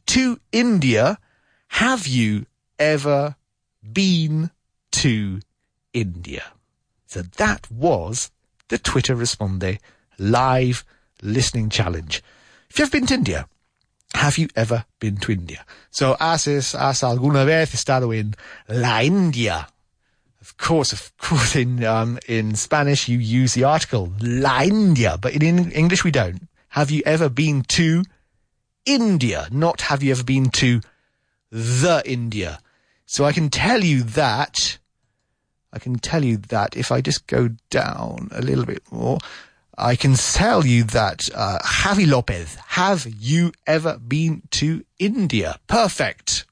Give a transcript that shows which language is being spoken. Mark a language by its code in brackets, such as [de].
[en] To India, have you ever been to India? So that was the Twitter Responde live listening challenge. If you've been to India, have you ever been to India? [es] So, has alguna vez estado en la India? [en] Of course, in Spanish you use the article la India, but in English we don't. Have you ever been to India? Not have you ever been to the India. So I can tell you that if I just go down a little bit more, I can tell you that Javi López, have you ever been to India? Perfect.